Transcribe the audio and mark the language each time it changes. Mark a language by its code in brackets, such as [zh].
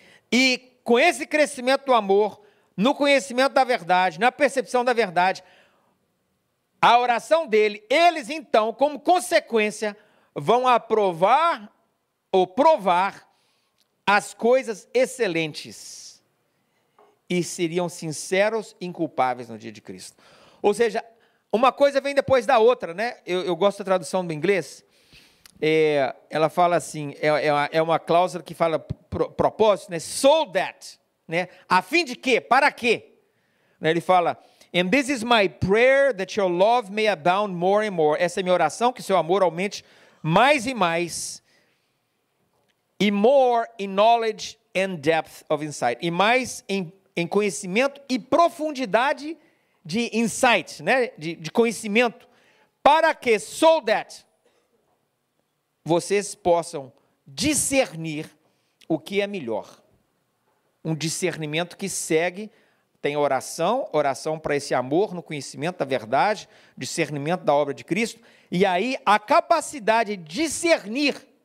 [pt] E com esse crescimento do amor, no conhecimento da verdade, na percepção da verdade, a oração dele, eles então, como consequência, vão aprovar ou provar as coisas excelentes e seriam sinceros e inculpáveis no dia de Cristo. Ou seja, uma coisa vem depois da outra, né? Eu gosto da tradução do inglês. Ela fala assim, uma cláusula que fala propósito, né? [en] So that, [pt] né? A fim de quê? Para quê? Ele fala, [en] and this is my prayer that your love may abound more and more. [pt] Essa é minha oração, que seu amor aumente mais e mais. [en] E more in knowledge and depth of insight. [pt] E mais em conhecimento e profundidade de insight, né? De conhecimento. Para que? [en] So that [pt] vocês possam discernir o que é melhor. Um discernimento que segue, tem oração para esse amor no conhecimento da verdade, discernimento da obra de Cristo, e aí a capacidade de discernir.